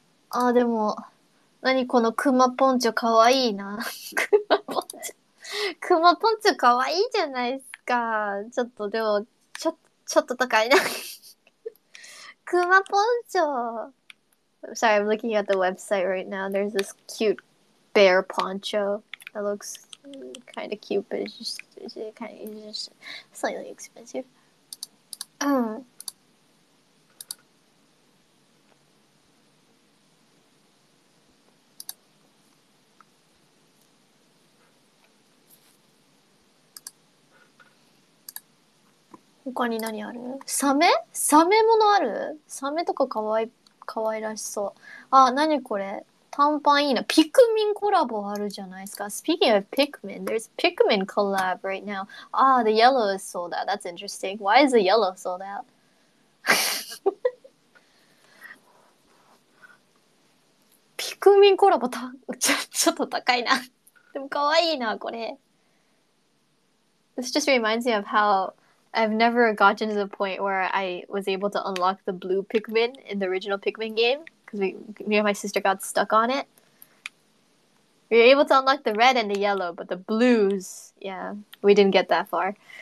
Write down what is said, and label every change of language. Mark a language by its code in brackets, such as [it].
[ja] あ、でも、なにこのクマポンチョかわいいな。クマポンチョかわいいじゃないですか。ちょっとでも、ちょっと高いな。クマポンチョ。 [en] Sorry, I'm looking at the website right now. There's this cute bear poncho that looks kind of cute, but it's just slightly expensive. [ja] 他に何ある？サメ？サメものある？サメとかかわいらしそう。あ、何これ？短パンいいな。ピクミンコラボあるじゃないですか。 [en] Speaking of Pikmin, there's Pikmin collab right now. Ah, the yellow is sold out. That's interesting. Why is the yellow sold out? [ja] ピクミンコラボちょっと高いな。でもかわいいな、これ。 [en] This just reminds me of how... I've never gotten to the point where I was able to unlock the blue Pikmin in the original Pikmin game. Because me and my sister got stuck on it. We were able to unlock the red and the yellow, but the blues, yeah, we didn't get that far.